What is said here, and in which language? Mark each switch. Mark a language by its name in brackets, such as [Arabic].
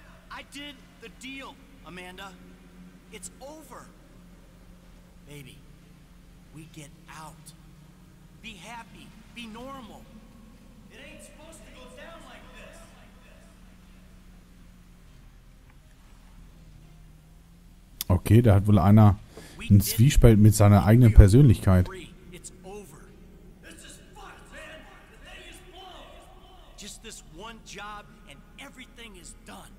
[English] I did the deal. Amanda, it's over. Baby, we get out. Be happy. Be normal. It ain't supposed to go down like this. [German] Okay, da hat wohl einer einen Zwiespalt mit seiner eigenen Persönlichkeit. [English] It's over. This is fucked, man. The thing is blown. Just this one job and everything is done.